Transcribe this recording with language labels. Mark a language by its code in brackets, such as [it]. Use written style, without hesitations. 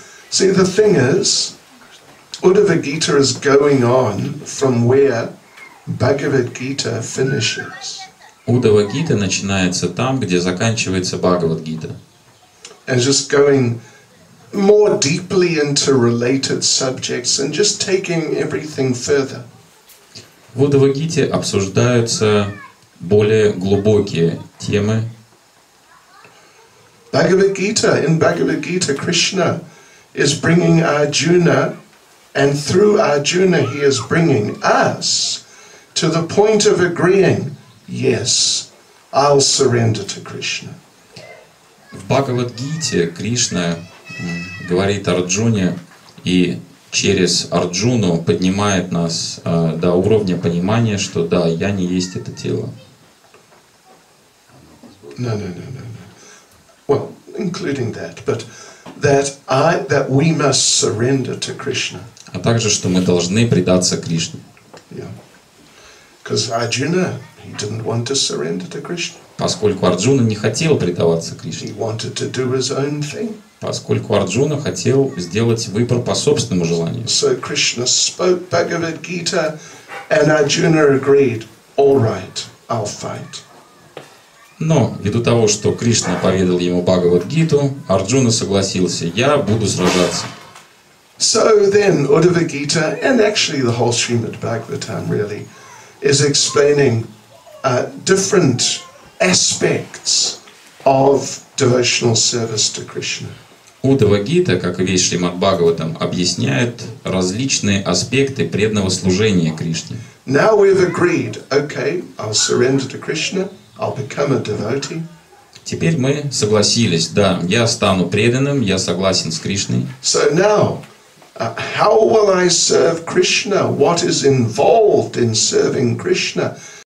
[en] See, the thing is, Uddhava Gita is going on from where Bhagavad Gita finishes. [ru] Uddhava Gita начинается там, где заканчивается Бхагавад Гита. [en] And just going more deeply into related subjects and just taking everything further. [ru] В Бхагавад-гите обсуждаются более глубокие темы. [en] Бхагавад-гита, in Бхагавад-гита, Krishna is bringing Arjuna, and through Arjuna he is bringing us to the point of agreeing, yes, I'll surrender to Krishna. [ru] В Бхагавад-гите Кришна говорит Арджуне, и через Арджуну поднимает нас до уровня понимания, что да, я не есть это тело. [en] No. Well, including that, but that we must surrender to Krishna. [ru] А также, что мы должны предаться Кришне. [en] Because Arjuna, he didn't want to surrender to Krishna. [ru] Поскольку Арджуна не хотел предаваться Кришне. [en] He wanted to do his own thing. [ru] Поскольку Арджуна хотел сделать выбор по собственному желанию. [en] So Krishna spoke Bhagavad Gita, and Arjuna agreed. All right, I'll fight. [ru] Но ввиду того, что Кришна поведал ему Бхагавад-гиту, Арджуна согласился: я буду сражаться. [en] So then Uddhava Gita, and actually the whole Srimad Bhagavatam really, is explaining different aspects of devotional service to Krishna. [ru] Uddhava Gita, как и весь Шримад Бхагаватам, объясняет различные аспекты преданного служения Кришне. [en] Now we've agreed, okay, I'll surrender to Krishna. I'll become a devotee. [ru] Теперь мы согласились. Да, я стану преданным, я согласен с Кришной. [en] So now, how will I serve Krishna? What is involved in serving Krishna?